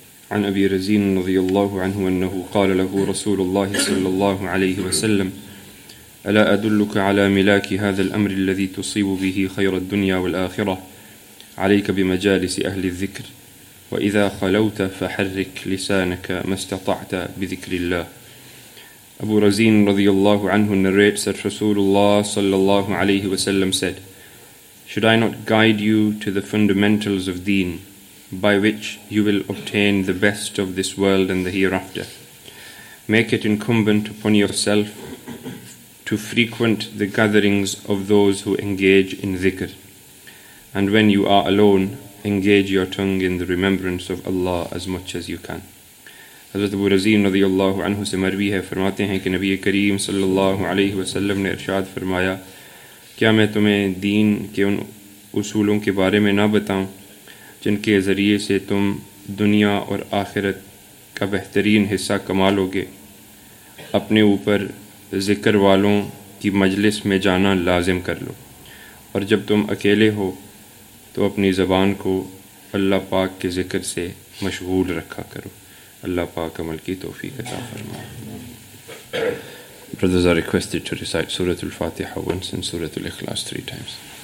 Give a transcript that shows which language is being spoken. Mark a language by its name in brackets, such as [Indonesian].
[Arabic] عن أبي رزين رضي الله عنه أنه قال له رسول الله صلى الله عليه وسلم ألا أدلك على ملاك هذا الأمر الذي تصيب به خير الدنيا والآخرة عليك بمجالس أهل الذكر وإذا خلوت فحرك لسانك ما استطعت بذكر الله. [English] Abu Razin radiyallahu anhu narrates that Rasulullah sallallahu alayhi wasallam said, "Should I not guide you to the fundamentals of deen, by which you will obtain the best of this world and the hereafter? Make it incumbent upon yourself to frequent the gatherings of those who engage in dhikr. And when you are alone, engage your tongue in the remembrance of Allah as much as you can." [Urdu] حضرت ابو رزین رضی اللہ عنہ سے مروی ہے، فرماتے ہیں کہ نبی کریم صلی اللہ علیہ وسلم نے ارشاد فرمایا، کیا میں تمہیں دین کے ان اصولوں کے بارے میں نہ بتاؤں جن کے ذریعے سے تم دنیا اور آخرت کا بہترین حصہ کما لو گے؟ اپنے اوپر ذکر والوں کی مجلس میں جانا لازم کر لو، اور جب تم اکیلے ہو تو اپنی زبان کو اللہ پاک کے ذکر سے مشغول رکھا کرو. اللہ پاکا ملکی توفیقا تعفرما. [English] Brothers are requested to recite Surah Al-Fatiha once and Surah Al-Ikhlas 3 times.